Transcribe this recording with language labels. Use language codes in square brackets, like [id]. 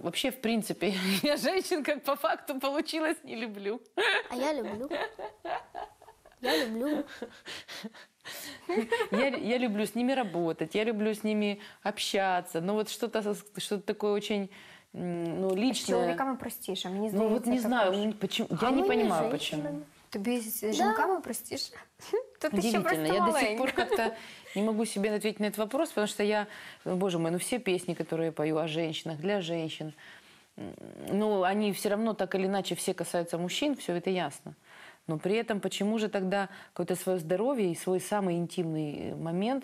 [ru] Вообще, в принципе, я женщин, как по факту получилось, не люблю. А я люблю. Я люблю. Я люблю с ними работать, я люблю с ними общаться. Но вот что-то такое очень личное. С человеками простейше, мне кажется. Я не понимаю, почему. [uk] Тобі з жінками простіше? То ти ще просто маленька. [ru] Я до сих пор как-то не могу себе ответить на этот вопрос, потому что я, боже мой, все песни, которые я пою о женщинах, для женщин, они все равно так или иначе все касаются мужчин, все это ясно. Но при этом почему же тогда какое-то свое здоровье и свой самый интимный момент